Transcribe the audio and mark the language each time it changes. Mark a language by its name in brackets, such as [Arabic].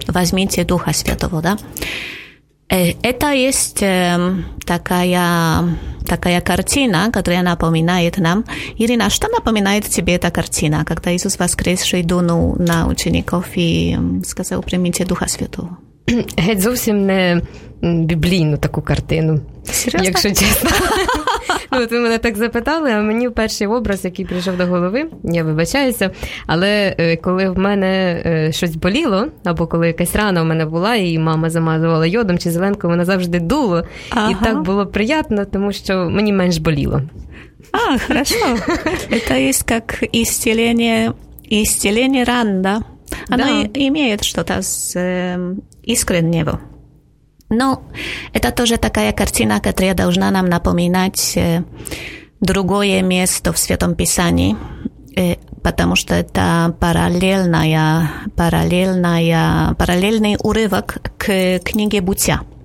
[Russian] Возьмите Духа Святого, да? Это есть такая картина, которая напоминает нам. Ирина, что напоминает тебе эта картина, когда Иисус воскресший дунул на учеников и сказал: «Примите Духа Святого»? Это совсем не библейную такую картину. Серьезно? [Ukrainian] Якщо чесно. Ну, ти мене так запитали, а мені перший образ, який прийшов до голови, я вибачаюся, але коли в мене щось боліло, або коли якась рана в мене була, і мама замазувала йодом чи зеленкою, вона завжди дуло. Ага. І так було приємно, тому що мені менш боліло. [Russian] А, хорошо. [Ukrainian] Це є як ісцеління ран, да? Воно має щось з іскреннього. [Russian] Но это тоже такая картина, которая должна нам напоминать другое место в Святом Писании, потому что это параллельный урывок к книге Бытия.